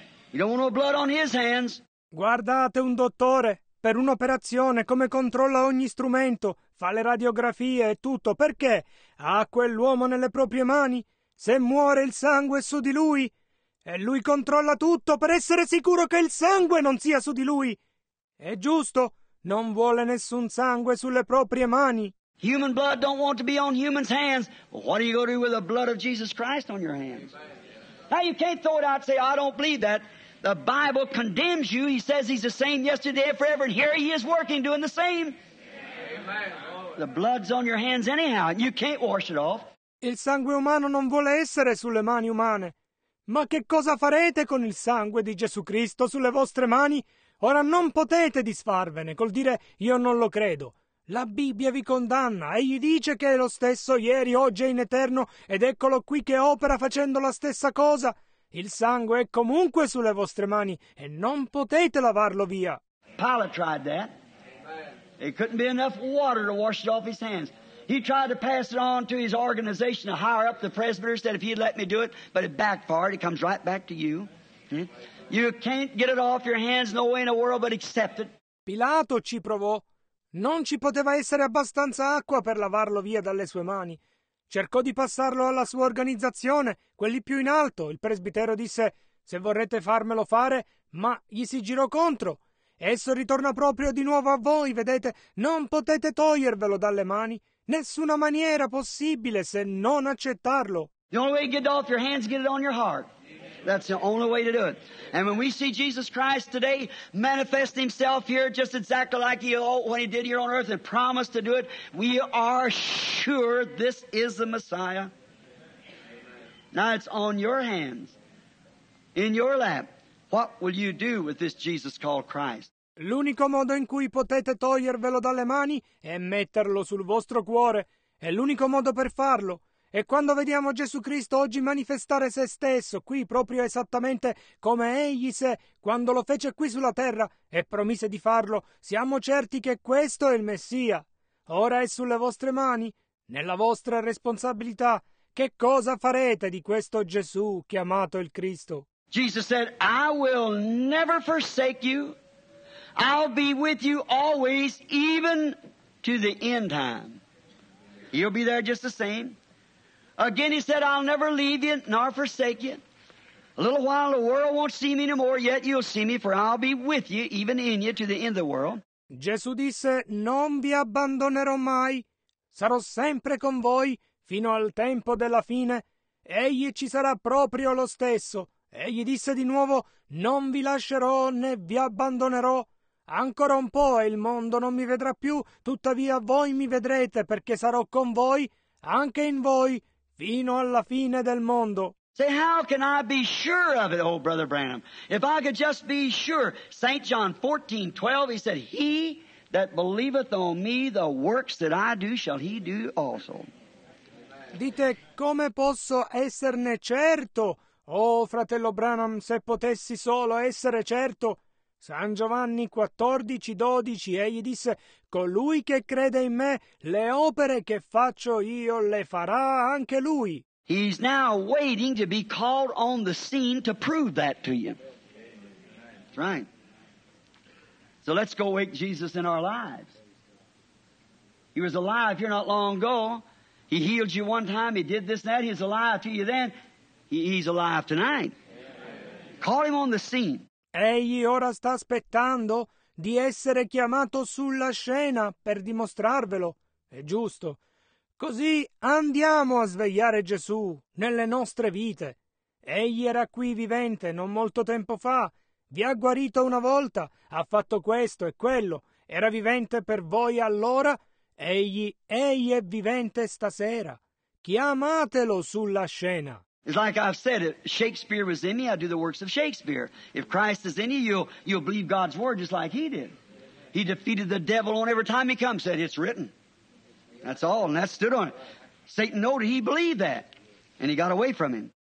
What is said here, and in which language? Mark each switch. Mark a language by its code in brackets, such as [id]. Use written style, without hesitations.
[en] You don't want no blood on his hands. [it] Guardate un dottore. Per un'operazione, come controlla ogni strumento, fa le radiografie e tutto, perché ha quell'uomo nelle proprie mani, se muore il sangue è su di lui, e lui controlla tutto per essere sicuro che il sangue non sia su di lui. È giusto, non vuole nessun sangue sulle proprie mani. [en] Human blood don't want to be on human's hands, but what are you going to do with the blood of Jesus Christ on your hands? Now you can't throw it out and say, I don't believe that. The Bible condemns you. He says he's the same yesterday and forever, and here he is working, doing the same. Amen. The blood's on your hands anyhow, and you can't wash it off. [it] Il sangue umano non vuole essere sulle mani umane. Ma che cosa farete con il sangue di Gesù Cristo sulle vostre mani? Ora non potete disfarvene col dire io non lo credo. La Bibbia vi condanna. Egli dice che è lo stesso ieri, oggi e in eterno, ed eccolo qui che opera facendo la stessa cosa. Il sangue è comunque sulle vostre mani e non potete lavarlo via. [en] Pilate tried that. It couldn't be enough water to wash it off his hands. He tried to pass it on to his organization to hire up the presbyter, said if he'd let me do it, but it backfired. It comes right back to you. You can't get it off your hands, no way in the world but accept it. [it] Pilato ci provò. Non ci poteva essere abbastanza acqua per lavarlo via dalle sue mani. Cercò di passarlo alla sua organizzazione, quelli più in alto. Il presbitero disse, se vorrete farmelo fare, ma gli si girò contro. Esso ritorna proprio di nuovo a voi, vedete, non potete togliervelo dalle mani. Nessuna maniera possibile se non accettarlo. [en] The only way to get it off your hands, get it on your heart. That's the only way to do it. And when we see Jesus Christ today manifest himself here just exactly like he ought when he did here on earth and promised to do it, we are sure this is the Messiah. Now it's on your hands, in your lap. What will you do with this Jesus called Christ? [it] L'unico modo in cui potete togliervelo dalle mani è metterlo sul vostro cuore. È l'unico modo per farlo. E quando vediamo Gesù Cristo oggi manifestare se stesso qui, proprio esattamente come Egli se quando lo fece qui sulla terra e promise di farlo, siamo certi che questo è il Messia. Ora è sulle vostre mani, nella vostra responsabilità. Che cosa farete di questo Gesù chiamato il Cristo? [en] Jesus said, I will never forsake you. I'll be with you always, even to the end time. You'll be there just the same. Again, he said, I'll never leave you nor forsake you. A little while the world won't see me anymore, yet you'll see me, for I'll be with you, even in you, to the end of the world. [it] Gesù disse, non vi abbandonerò mai. Sarò sempre con voi, fino al tempo della fine. Egli ci sarà proprio lo stesso. Egli disse di nuovo, non vi lascerò né vi abbandonerò. Ancora un po' e il mondo non mi vedrà più, tuttavia voi mi vedrete, perché sarò con voi, anche in voi. Fino alla fine del mondo. [en] Say, how can I be sure of it, old Brother Branham? If I could just be sure. St. John 14:12, he said, He that believeth on me, the works that I do shall he do also. [it] Dite, come posso esserne certo? Oh, fratello Branham, se potessi solo essere certo. San Giovanni 14:12, egli disse, Colui che crede in me, le opere che faccio io le farà anche lui. [en] He's now waiting to be called on the scene to prove that to you. That's right. So let's go wake Jesus in our lives. He was alive here not long ago. He healed you one time. He did this and that. He's alive to you then. He's alive tonight. Call him on the scene. [it] Egli ora sta aspettando di essere chiamato sulla scena per dimostrarvelo. È giusto. Così andiamo a svegliare Gesù nelle nostre vite. Egli era qui vivente non molto tempo fa. Vi ha guarito una volta, ha fatto questo e quello. Era vivente per voi allora. Egli è vivente stasera. Chiamatelo sulla scena. [en] It's like I've said, if Shakespeare was in you, I'd do the works of Shakespeare. If Christ is in you, you'll believe God's word just like he did. He defeated the devil on every time he comes, said, it's written. That's all, and that stood on it. Satan knew he believed that, and he got away from him.